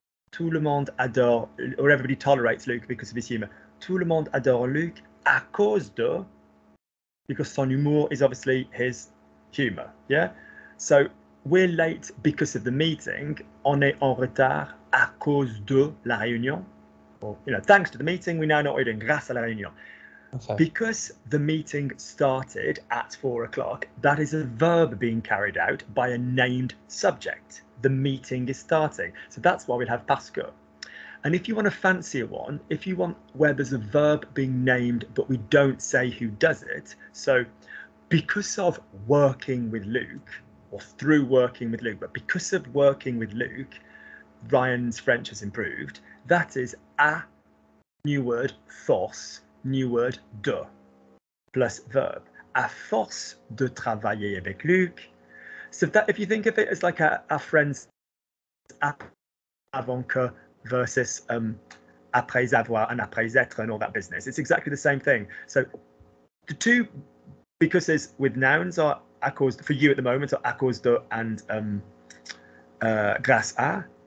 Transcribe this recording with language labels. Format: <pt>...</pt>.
<fr>Tout le monde adore,</fr> <en>or everybody tolerates Luke because of his humor.</en> <fr>Tout le monde adore Luke à cause de, because son humour</fr> <en>is obviously his humor. Yeah? So we're late because of the meeting.</en> <fr>On est en retard à cause de la réunion.</fr> <en>Or, you know, thanks to the meeting, we now know what we're doing.</en> <fr>Grâce à la réunion.</fr> <en>Okay. Because the meeting started at 4 o'clock, that is a verb being carried out by a named subject. The meeting is starting. So that's why we'll have</en> <fr>parce que.</fr> <en>And if you want a fancier one, if you want where there's a verb being named, but we don't say who does it, so because of working with Luke, or through working with Luke, but because of working with Luke, Ryan's French has improved. That is a new word, force. New word</en> <fr>de plus verb à force de travailler avec Luc.</fr> <en>So that if you think of it as like a friend's</en> <fr>avant que</fr> <en>versus</en> <fr>après avoir</fr> <en>and</en> <fr>après être</fr> <en>and all that business. It's exactly the same thing. So the two, because there's with nouns, are</en> <fr>à cause,</fr> <en>for you at the moment, are</en> <fr>à cause de</fr> <en>and</en> <fr>grâce à.</fr>